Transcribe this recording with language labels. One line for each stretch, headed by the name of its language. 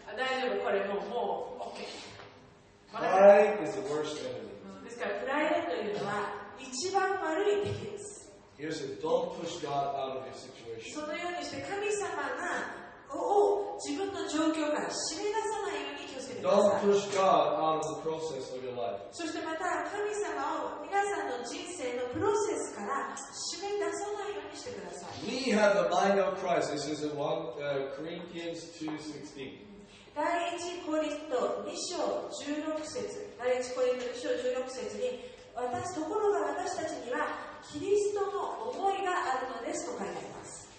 Japanese: 大丈夫、これもう OK。
English: Pride is the worst enemy.
Japanese: ですから、プライドというのは一番悪い敵です。
English: Here's it. Don't push God out of your situation.
Japanese: そのようにして神様が自分の状況から締め出さないように気をつけてください。
English: Don't push God out of the process of your life.
Japanese: そしてまた神様を皆さんの人生のプロセスから締め出さないようにしてください。
English: We have the mind of Christ. This is in 1 Corinthians 2:16.
Japanese: 第一コリント2章16節。第一コリント2章16節に、私ところが私たちにはキリストの思いがあるのですと書いてあります。